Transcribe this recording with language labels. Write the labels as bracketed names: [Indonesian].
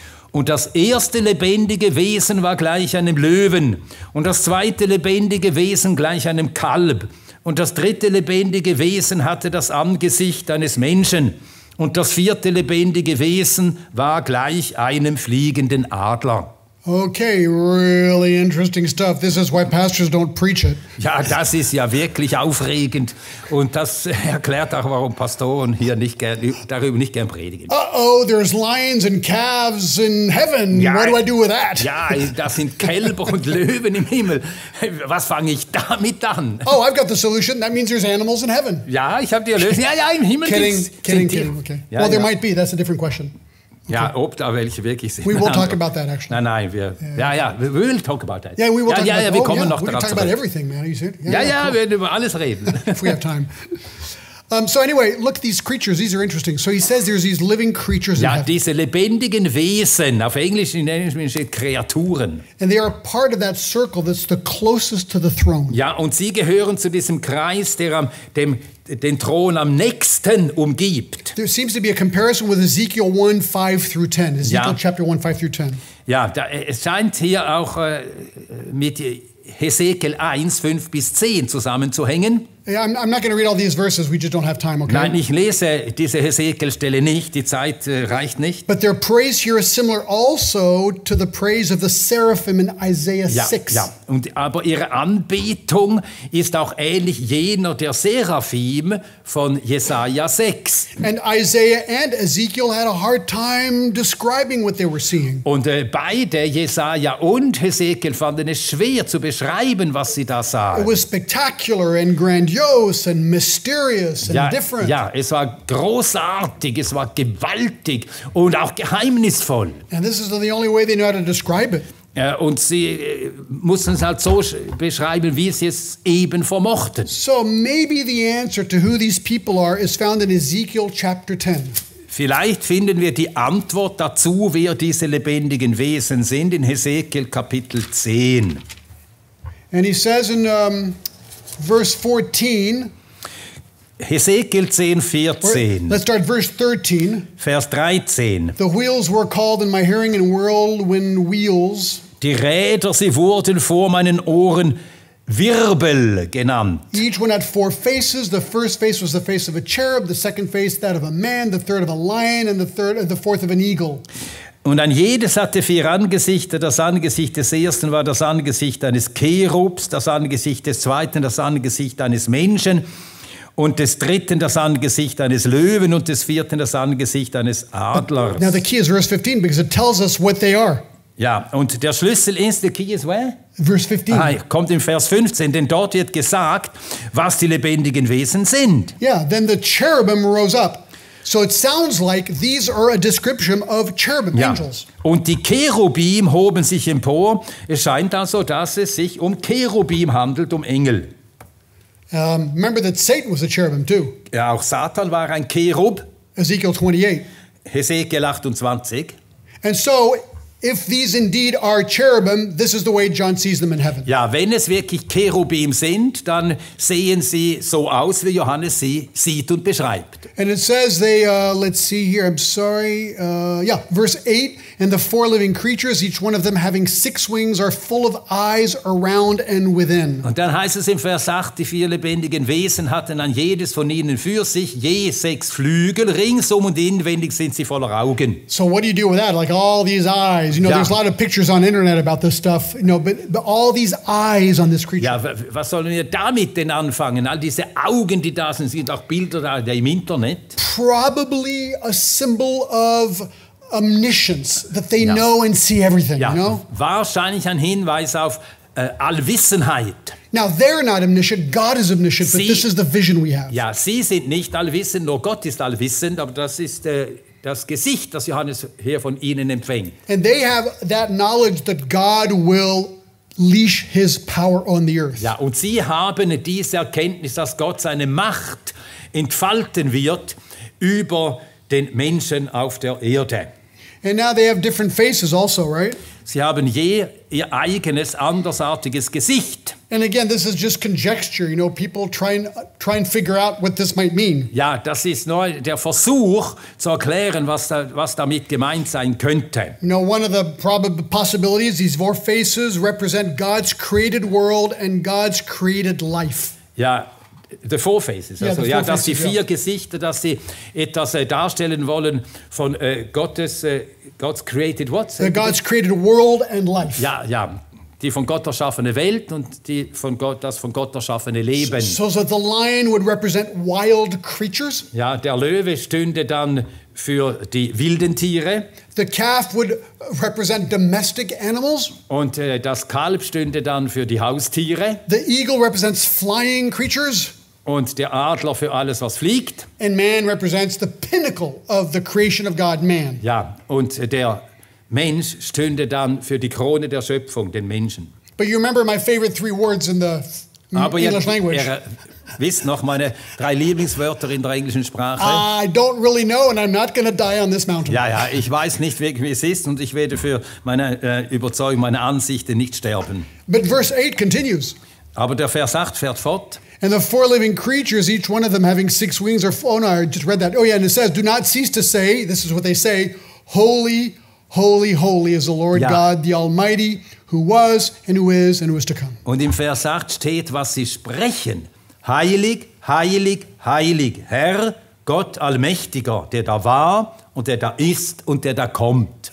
[German] Und das erste lebendige Wesen war gleich einem Löwen, und das zweite lebendige Wesen gleich einem Kalb, und das dritte lebendige Wesen hatte das Angesicht eines Menschen, und das vierte lebendige Wesen war gleich einem fliegenden Adler. [English] Okay, really interesting stuff. This is why pastors don't preach it. [German] Ja, das ist ja wirklich aufregend. Und das erklärt auch, warum Pastoren hier darüber nicht gern predigen. [English] Uh-oh, there's lions and calves in heaven. Ja, what do I do with that? [German] Ja, da sind Kälber und Löwen im Himmel. Was fange ich damit an? [English] Oh, I've got the solution. That means there's animals in heaven. [German] Ja, ich habe die Lösung. Ja, im Himmel [English] kidding, [German] gibt's. [English] Kidding. Okay. Ja, well, there might be. That's a different question. [German] Okay. Ja, ob da welche wirklich sind. [English] We will talk about that, actually. [German] Nein, wir... [English] Yeah. We will talk about that. Yeah, we will talk about that. [German] Wir kommen noch darauf zurück. [English] We can talk about everything, man. You see? [German] Cool. Wir werden über alles reden. [English] If we have time. So anyway, look at these creatures. These are interesting. So he says there's these living creatures ja, in heaven. [German] Ja, diese lebendigen Wesen. Auf Englisch in Englisch steht Kreaturen. [English] And they are part of that circle that's the closest to the throne. [German] Ja, und sie gehören zu diesem Kreis, der am... dem den Thron am nächsten umgibt. [English] There seems to be a comparison with Ezekiel 1:5-10. Ezekiel chapter 1:5-10. [German] Ja, da, es scheint hier auch mit Hesekiel 1:5-10 zusammenzuhängen. [English] Yeah, I'm not going to read all these verses. We just don't have time, okay? [German] Nein, ich lese diese Hesekiel-Stelle nicht. Die Zeit reicht nicht. [English] But their praise here is similar also to the praise of the seraphim in Isaiah 6. [German] Ja, und aber ihre Anbetung ist auch ähnlich jener der Seraphim von Jesaja 6. [English] And Isaiah and Ezekiel had a hard time describing what they were seeing. [German] Und beide, Jesaja und Hesekiel, fanden es schwer zu beschreiben, was sie da sahen. [English] It was spectacular and grand. Grandiose and mysterious and ja, different. [German] Ja, es war großartig, es war gewaltig und auch geheimnisvoll. [English] And this is the only way they know how to describe it. [German] Ja, und sie mussten es halt so beschreiben, wie sie es eben vermochten. [English] So maybe the answer to who these people are is found in Ezekiel chapter 10. [German] Vielleicht finden wir die Antwort dazu, wer diese lebendigen Wesen sind, in Ezekiel Kapitel 10. [English] And he says in... Verse 14. [German] Hesekiel 10:14. [English] Let's start verse 13. [German] Vers 13. [English] The wheels were called in my hearing and whirlwind wheels. [German] Die Räder, sie wurden vor meinen Ohren Wirbel genannt. [English] Each one had four faces. The first face was the face of a cherub. The second face that of a man. The third of a lion. And the fourth of an eagle. [German] Und an jedes hatte vier Angesichter. Das Angesicht des ersten war das Angesicht eines Cherubs, das Angesicht des zweiten das Angesicht eines Menschen und des dritten das Angesicht eines Löwen und des vierten das Angesicht eines Adlers. [English] Now the key is verse 15 because it tells us what they are. [German] Ja, und der Schlüssel ist, [English] the key is where? Verse 15. [German] Ah, kommt in Vers 15, denn dort wird gesagt, was die lebendigen Wesen sind. [English] Yeah, then the cherubim rose up. So it sounds like these are a description of cherubim, ja. Angels. [German] Und die Cherubim hoben sich empor. Es scheint also, dass es sich um Cherubim handelt, um Engel. [English] Remember that Satan was a cherubim too. [German] Ja, auch Satan war ein Cherub. [English] Ezekiel 28. [German] Hesekiel 28. [English] And so, if these indeed are cherubim, this is the way John sees them in heaven. [German] Ja, wenn es wirklich Cherubim sind, dann sehen sie so aus, wie Johannes sie sieht und beschreibt. [English] And it says they, verse 8, and the four living creatures, each one of them having six wings, are full of eyes around and within. [German] Und dann heißt es im Vers 8, die vier lebendigen Wesen hatten an jedes von ihnen für sich je sechs Flügel, ringsum und inwendig sind sie voller Augen. [English] So what do you do with that? Like all these eyes. eyes. You know, there's a lot of pictures on internet about this stuff. You know, but all these eyes on this creature. [German] Ja, was sollen wir damit denn anfangen? All diese Augen, die da sind, sind auch Bilder da im Internet. [English] Probably a symbol of omniscience, that they know and see everything. Ja, you know? [German] Wahrscheinlich ein Hinweis auf Allwissenheit. [English] Now they're not omniscient. God is omniscient, [German] sie, [English] but this is the vision we have. [German] Ja, sie sind nicht allwissend, nur Gott ist allwissend, aber das ist das Gesicht, das Johannes hier von ihnen empfängt. [English] And they have that knowledge that God will leash his power on the earth. [German] Ja, und sie haben diese Erkenntnis, dass Gott seine Macht entfalten wird über den Menschen auf der Erde. [English] And now they have different faces also, right? [German] Sie haben je ihr eigenes andersartiges Gesicht. [English] And again, this is just conjecture, you know, people try and figure out what this might mean. [German] Ja, das ist nur der Versuch zu erklären, was damit gemeint sein könnte. [English] You know, one of the probable possibilities, these four faces represent God's created world and God's created life. [German] Ja. [English] The four faces, [German] also, ja, dass die vier Gesichter, dass sie etwas darstellen wollen von Gottes, [English] God's created what? The God's created world and life. [German] Ja, ja, die von Gott erschaffene Welt und die von Gott, das von Gott erschaffene Leben. [English] So the lion would represent wild creatures. [German] Ja, der Löwe stünde dann für die wilden Tiere. [English] The calf would represent domestic animals. [German] Und das Kalb stünde dann für die Haustiere. [English] The eagle represents flying creatures. [German] Und der Adler für alles, was fliegt. [English] And man represents the pinnacle of the creation of God, man. [German] Ja, und der Mensch stünde dann für die Krone der Schöpfung, den Menschen. [English] But you remember my favorite three words in the English language. [German] Wisst noch meine drei Lieblingswörter in der englischen Sprache? [English] I don't really know and I'm not going to die on this mountain. [German] Ja, ja, ich weiß nicht wirklich, wie es ist und ich werde für meine Überzeugung, meine Ansichten nicht sterben. [English] But verse 8 continues. [German] Aber der Vers 8 fährt fort. [English] And the four living creatures, each one of them having six wings or four, I just read that. Oh yeah, and it says, do not cease to say, this is what they say, holy, holy, holy is the Lord God, the Almighty, who was and who is and who is to come. [German] Und im Vers 8 steht, was sie sprechen. Heilig, heilig, heilig, Herr, Gott Allmächtiger, der da war und der da ist und der da kommt.